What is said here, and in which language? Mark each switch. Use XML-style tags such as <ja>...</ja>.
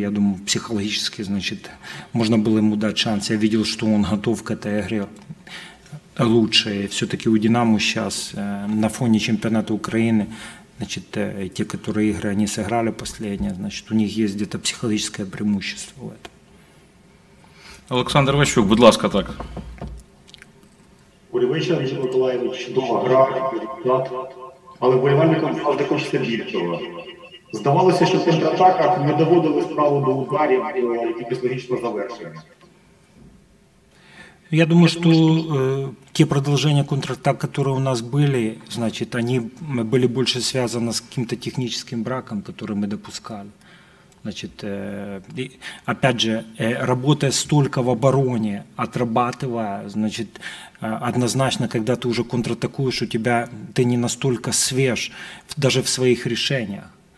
<ru>Я думаю, психологически, значит, можно было ему дать шанс. Я видел, что он готов к этой игре. Лучше. Все-таки у «Динамо» сейчас на фоне чемпионата Украины, значит, те, которые игры они сыграли последние, значит, у них есть где-то психологическое преимущество в этом.</ru> <uk>Олександр Ващук, будь ласка, так. Добрий вечір, Андрій Миколаївич. Дома гра, результат. Але воєвальникам завжди хочеться більшого. Здавалося, що в контратаках не доводили справу до ударів, які психологічно завершили.</uk> <ru>Я думаю, что те продолжения контратак, которые у нас были, значит, они были больше связаны с каким-то техническим браком, который мы допускали. Значит, опять же, работая столько в обороне, отрабатывая, значит, однозначно, когда ты уже контратакуешь, у тебя ты не настолько свеж даже в своих решениях.</ru>